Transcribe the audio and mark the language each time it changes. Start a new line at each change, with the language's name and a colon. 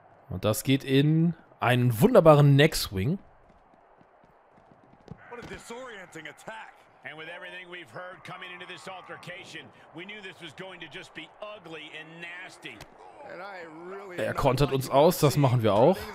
German: Und das geht in einen wunderbaren Neck Swing.
English: What a disorienting attack. And with everything we've heard coming into this altercation, we knew this was going to just be ugly and nasty.
German: Er kontert uns aus, das machen wir auch.